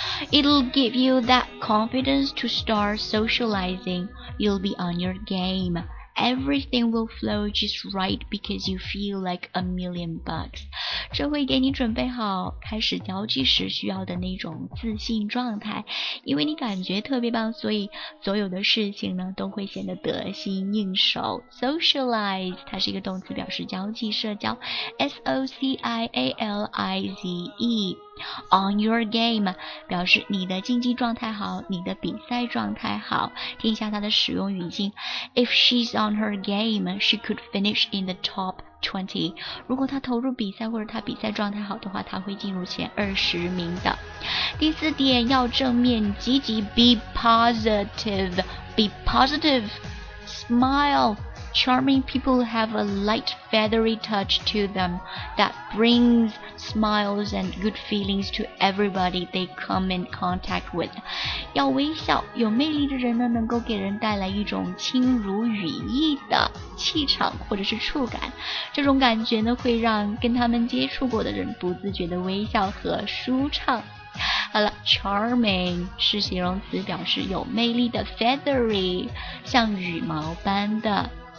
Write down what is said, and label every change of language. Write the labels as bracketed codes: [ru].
[en] It'll give you that confidence to start socializing. You'll be on your game. Everything will flow just right because you feel like a million bucks. [zh] 这会给你准备好开始交际时需要的那种自信状态，因为你感觉特别棒，所以所有的事情呢都会显得得心应手。 Socialize, 它是一个动词，表示交际、社交。 S-O-C-I-A-L-I-Z-E. On your game, 表示你的竞技状态好，你的比赛状态好。听一下它的使用语境。 [en] If she's on her game, she could finish in the top 20. [zh] 如果她投入比赛或者她比赛状态好的话，她会进入前20名的。第四点，要正面积极， [en] be positive, smile. Charming people have a light feathery touch to them that brings smiles and good feelings to everybody they come in contact with. [zh] 要微笑，有魅力的人呢，能够给人带来一种轻如羽翼的气场或者是触感。这种感觉呢，会让跟他们接触过的人不自觉的微笑和舒畅。好了 ,charming 是形容词，表示有魅力的 feathery, 像羽毛般的。